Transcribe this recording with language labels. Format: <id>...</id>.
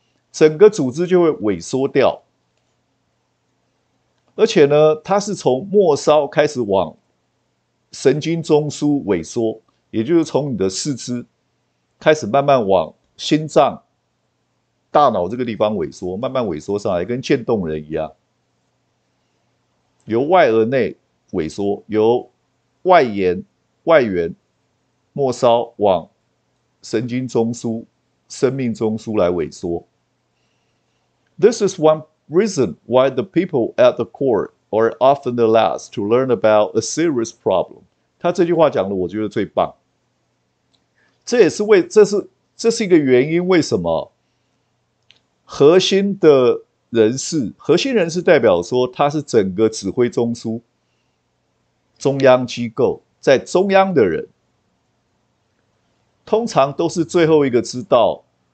<zh>整个组织就会萎缩掉，而且呢，它是从末梢开始往神经中枢萎缩，也就是从你的四肢开始慢慢往心脏、大脑这个地方萎缩，慢慢萎缩上来，跟渐冻人一样，由外而内萎缩，由外缘末梢往神经中枢、生命中枢来萎缩。</zh> <en>This is one reason why the people at the core are often the last to learn about a serious problem。</en> <zh>他这句话讲的，我觉得最棒。这是一个原因，为什么核心的人士，核心人士代表说他是整个指挥中枢、中央机构在中央的人，通常都是最后一个知道</zh>